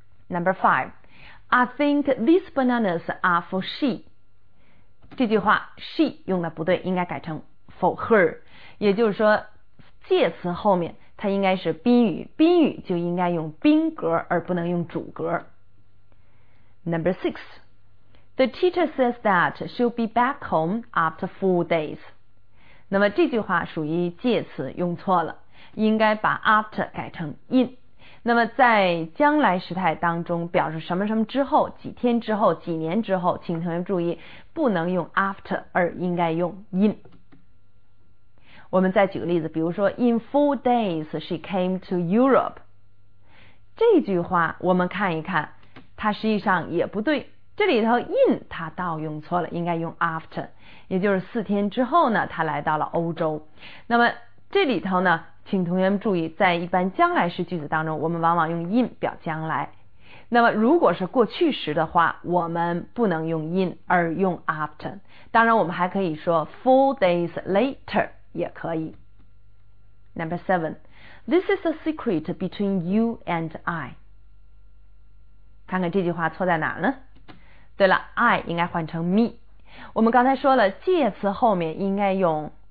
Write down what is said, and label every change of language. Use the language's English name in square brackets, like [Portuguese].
[English] Number five, I think these bananas are for she. [Chinese] 这句话 she 用的不对，应该改成 for her，也就是说介词后面它应该是宾语，宾语就应该用宾格而不能用主格。 [English] Number six, The teacher says that she'll be back home after 4 days. [Chinese] 那么这句话属于介词用错了，应该把 after 改成 in。那么在将来时态当中表示什么什么之后，几天之后，几年之后，请同学注意不能用 after 而应该用 in。我们再举个例子，比如说 In 4 days she came to Europe，这句话我们看一看它实际上也不对，这里头 in 它倒用错了，应该用 after， 也就是四天之后呢它来到了欧洲。那么这里头呢请同学们注意，在一般将来式句子当中我们往往用 in 表将来，那么如果是过去时的话我们不能用 in 而用 after， 当然我们还可以说 4 days later 也可以。 [English] Number seven, This is a secret between you and I. [Chinese] 看看这句话错在哪呢？对了， I 应该换成 me。 我们刚才说了介词后面应该用